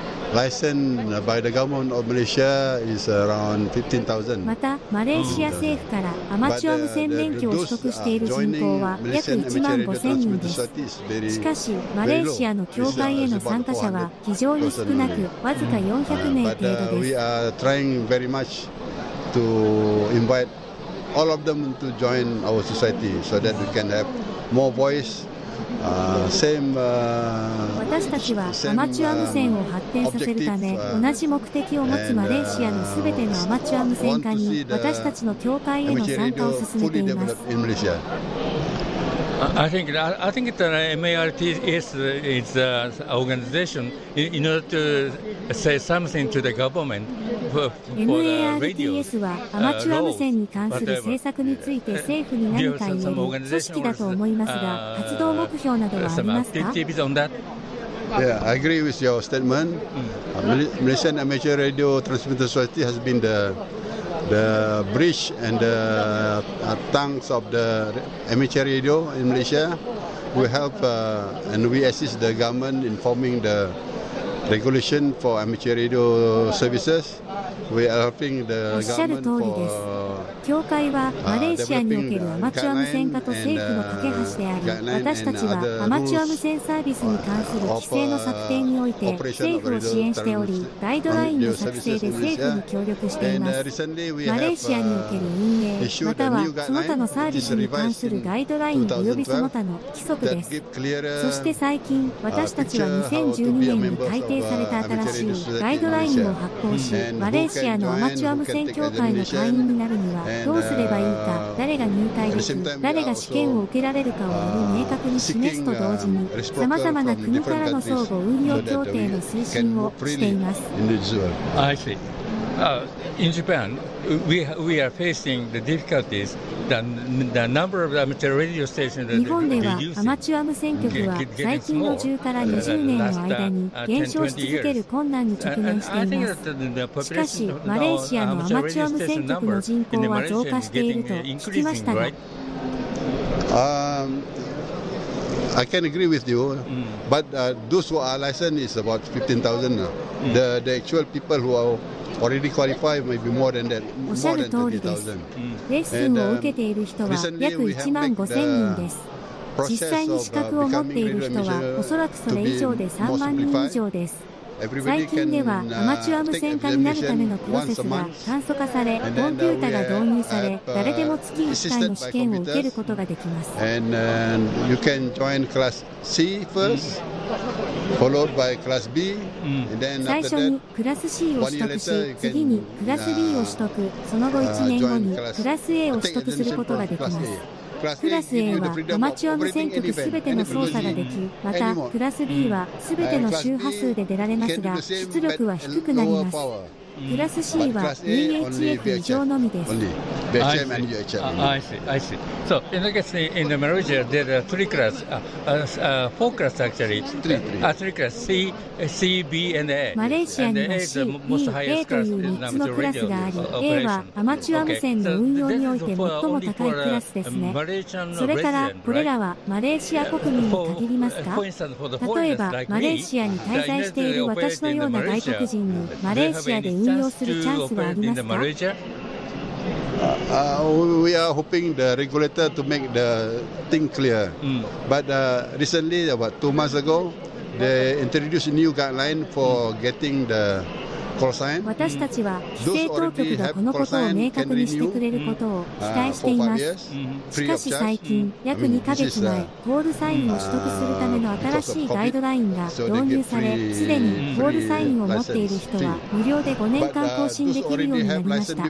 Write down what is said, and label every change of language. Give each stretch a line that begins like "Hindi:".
English: Licensed by the government of Malaysia is around 15,000.
Japanese: またマレーシア政府からアマチュア無線免許を取得している人口は約1万5000人です。しかしマレーシアの協会への参加者は非常に少なく、わずか400名程度です。
English: But we are trying very much to invite all of them to join our society so that we can have more voice.
Japanese: 私たちはアマチュア無線を発展させるため同じ目的を持つマレーシアのすべてのアマチュア無線化に私たちの協会への参加を進めています。
English: I think that MARTS is an organization in order to say something to the government for the
Japanese: MARTS はアマチュア無線に関する政策について政府に何か言える組織だと思いますが、活動目標などはありますか。
English: Yeah, I agree with your statement. Malaysian Amateur Radio Transmitter Society has been the bridge and the tongues of the amateur radio in Malaysia. We help and we assist the government in forming the regulation for amateur radio services. We are helping the government for
Japanese: 教会はマレーシアにおけるアマチュア無線化と政府の架け橋であり、私たちはアマチュア無線サービスに関する規制の策定において政府を支援しており、ガイドラインの作成で政府に協力しています。マレーシアにおける運営またはその他のサービスに関するガイドライン及びその他の規則です。そして最近私たちは2012年に改定された新しいガイドラインを発行し、マレーシアのアマチュア無線協会の会員になるにはどうすればいいか、誰が入隊でき誰が試験を受けられるかをより明確に示すと同時に、さまざまな国からの相互運用協定の推進をしています。
English: I see. In Japan we are facing the difficulties the number of amateur radio stations.
Japanese: 日本ではアマチュア無線局は最近の10から20年の間に減少し続ける困難に直面しています。しかしマレーシアのアマチュア無線局の人口は増加していると聞きましたが、
English: I can agree with you, but those who are licensed is about 15,000. The actual people who are already qualified may be more than that.
Japanese: おっしゃる通りです。レッスンを受けている人は約1万5千人です。実際に資格を持っている人はおそらくそれ以上で3万人以上です。最近ではアマチュア無線化になるためのプロセスが簡素化され、コンピュータが導入され、誰でも月1回の試験を受けることができます。最初にクラス C を取得し、次にクラス B を取得、その後1年後にクラス A を取得することができます。クラス A はアマチュア無線局すべての操作ができ、またクラス B はすべての周波数で出られますが、出力は低くなります。クラス C は VHF 以上のみです。
English: I see. So, in the case in the marriage, there are three class, four class actually. Three class, C, C, B, and A.
Japanese: マレーシアには C、B、A という3つのクラスがあり、A はアマチュア無線の運用において最も高いクラスですね。それから、これらはマレーシア国民に限りますか？例えば、マレーシアに滞在している私のような外国人に、マレーシアで運用するチャンスはありますか？
English: We are hoping the regulator to make the thing clear. But recently, about 2 months ago, they introduced a new guideline for getting the call sign.
Japanese: 私たちは規制当局がこのことを明確にしてくれることを期待しています。しかし最近、約2ヶ月前、コールサインを取得するための新しいガイドラインが導入され、すでにコールサインを持っている人は無料で5年間更新できるようになりました。